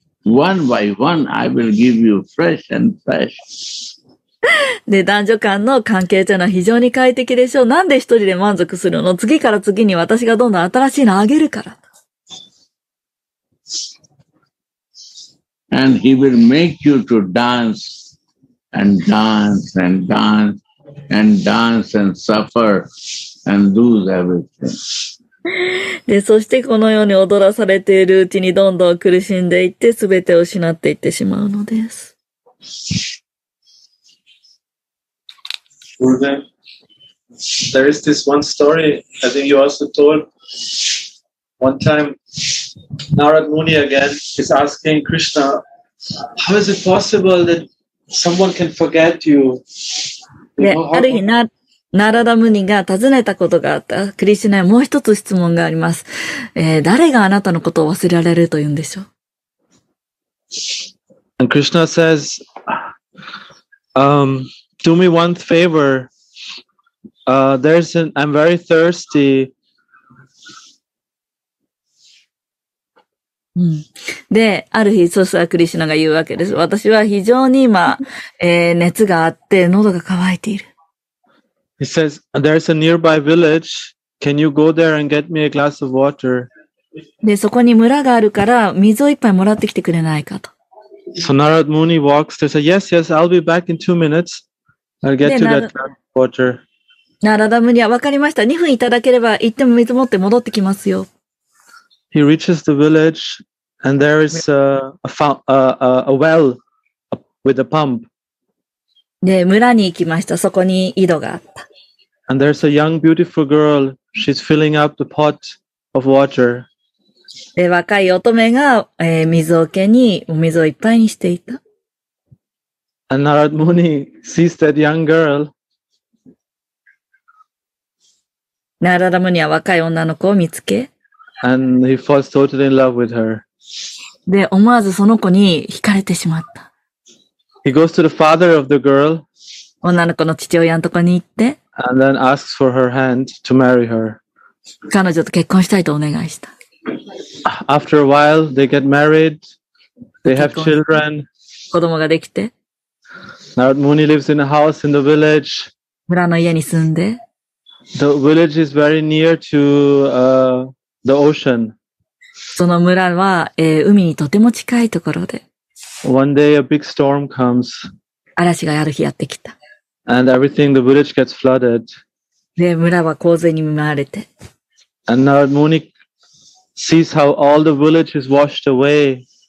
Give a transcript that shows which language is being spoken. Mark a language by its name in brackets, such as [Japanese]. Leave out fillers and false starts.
[English] One by one, I will give you fresh and fresh. [Japanese] で、男女間の関係というのは非常に快適でしょう。なんで一人で満足するの？次から次に私がどんどん新しいのあげるから。 [English] And he will make you to dance and dance and dance and dance and suffer and lose everything. [Japanese] で、そしてこのように踊らされているうちにどんどん苦しんでいって全てを失っていってしまうのです。 [English] There is this one story, I think you also told one time. Narad Muni again is asking Krishna, how is it possible that someone can forget you? [Japanese] ある日、ナラダムニが尋ねたことがあった。クリシュナにもう一つ質問があります。誰があなたのことを忘れられると言うんでしょう。 [English] And Krishna says, do me one favor. I'm very thirsty. [Japanese] で、ある日、ソスワクリシナが言うわけです。私は非常に今、熱があって、喉が渇いている。 [English] He says, there's a nearby village. Can you go there and get me a glass of water? [Japanese] で、そこに村があるから、水を一杯もらってきてくれないかと。 [English] So Narad Muni walks there and says, yes, I'll be back in 2 minutes. I'll get to that water. [Japanese] ナラダムニは分かりました。2分いただければ行っても水持って戻ってきますよ。 [English] He reaches the village and there is a well with a pump. [Japanese] で、村に行きました。そこに井戸があった。 [English] And there's a young beautiful girl. She's filling up the pot of water. [Japanese] で、若い乙女が、水桶にお水をいっぱいにしていた。 [English] And Narad Muni sees that young girl. [Japanese] Narada Muni は若い女の子を見つけ。 [English] And he falls totally in love with her. [Japanese] で、思わずその子に惹かれてしまった。 [English] He goes to the father of the girl. [Japanese] 女の子の父親のとこに行って。 [English] And then asks for her hand to marry her. [Japanese] 彼女と結婚したいとお願いした。 [English] After a while, they get married. They have children. [Japanese] 子供ができて。 [English] Narad Muni lives in a house in the village. [Japanese] 村の家に住んで。 [English] The village is very near to, the ocean. [Japanese] その村は、海にとても近いところで。 [English] One day a big storm comes. [Japanese] 嵐がある日やってきた。 [English] And everything, the village gets flooded. [Japanese] で、村は洪水に見舞われて。 [English] And Narad Muni sees how all the village is washed away.